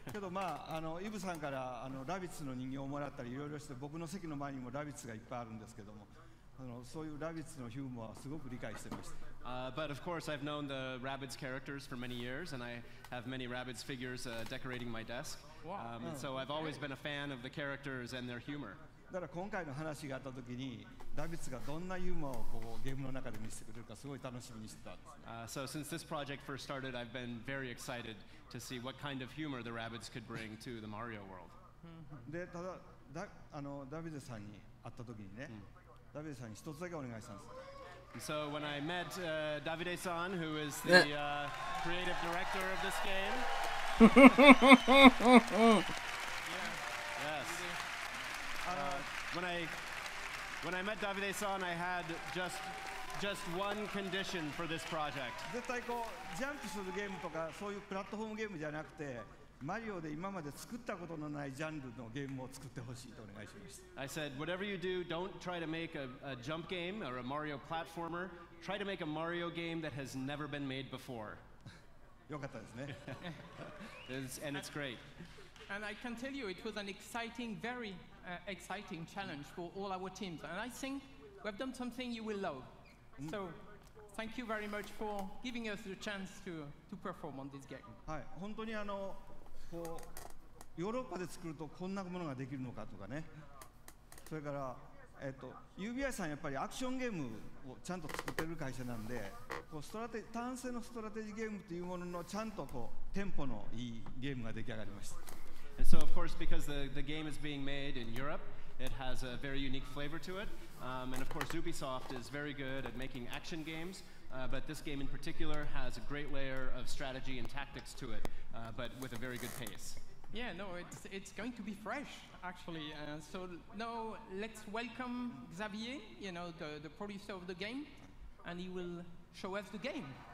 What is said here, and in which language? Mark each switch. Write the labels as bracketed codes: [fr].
[en] But of course, I've known the Rabbids characters for many years, and I have many Rabbids figures decorating my desk. And so I've always been a fan of the characters and their humor. [ja] だから今回の話があったときに、ダビッツがどんなユーモアをこうゲームの中で見せてくれるかすごい楽しみにしてたんです、ね。 [en] So since this project first started, I've been very excited to see what kind of humor the rabbits could bring to the Mario world. [ja] で、ただ、ダビッツさんに会ったときにね、ダビッツさんに一つだけお願いしたんです。 [en] So when I met Davide-san, who is the creative director of this game. When I met Davide-san, I had just one condition for this project. [ja] 絶対こうジャンプするゲームとかそういうプラットフォームゲームじゃなくて、マリオで今まで作ったことのないジャンルのゲームを作ってほしいとお願いしました。 [en] I said, whatever you do, don't try to make a jump game or a Mario platformer. Try to make a Mario game that has never been made before. [ja] よかったですね。 [en] and it's great. And I can tell you, it was an exciting, very exciting challenge for all our teams. And I think we've done something you will love. So, thank you very much for giving us the chance to perform on this game. [ja] はい、本当にこうヨーロッパで作るとこんなものができるのかとかね。それから、UBI さんやっぱりアクションゲームをちゃんと作ってる会社なんで、こうストラテジー、単性のストラテジーゲームというもののちゃんとこうテンポのいいゲームが出来上がりました。 [en] And so, of course, because the game is being made in Europe, it has a very unique flavor to it. And of course, Ubisoft is very good at making action games. But this game in particular has a great layer of strategy and tactics to it, but with a very good pace. Yeah, no, it's going to be fresh, actually. So now let's welcome Xavier, you know, the producer of the game, and he will show us the game.